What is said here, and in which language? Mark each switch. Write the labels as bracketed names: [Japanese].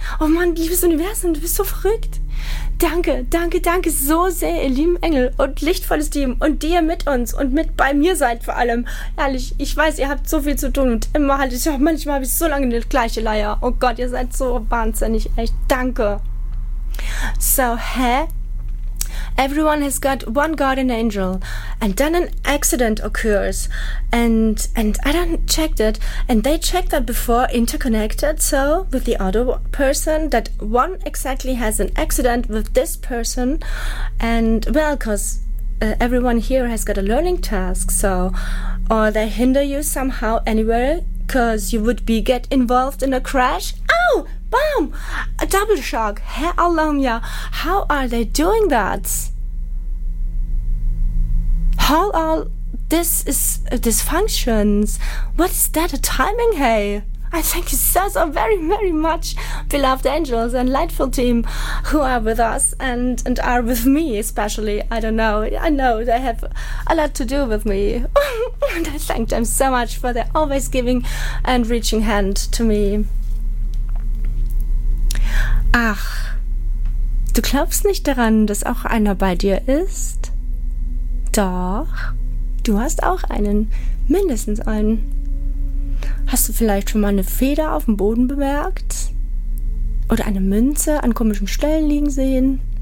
[German] Oh Mann, liebes Universum, du bist so verrückt. Danke, danke, danke so sehr, ihr lieben Engel und lichtvolles Team und die ihr mit uns und mit bei mir seid vor allem. Ehrlich, ich weiß, ihr habt so viel zu tun und immer halt, ich manchmal habe ich so lange die gleiche Leier. Oh Gott, ihr seid so wahnsinnig, echt, danke. So, hä? [English] Everyone has got one guardian angel, and then an accident occurs, and I don't checked it, and they checked that before interconnected, so with the other person, that one exactly has an accident with this person, and well, because everyone here has got a learning task, so, or they hinder you somehow anywhere, because you would be get involved in a crash. Ow! Boom! A double shock. Hey, Alamya, how are they doing that? How all this is dysfunctions? What is that a timing, hey? I thank you so, so very, very much, beloved angels and lightful team who are with us and are with me especially. I don't know. I know they have a lot to do with me. And I thank them so much for their always giving and reaching hand to me. [German] Ach, du glaubst nicht daran, dass auch einer bei dir ist? Doch, du hast auch einen, mindestens einen. Hast du vielleicht schon mal eine Feder auf dem Boden bemerkt? Oder eine Münze an komischen Stellen liegen sehen?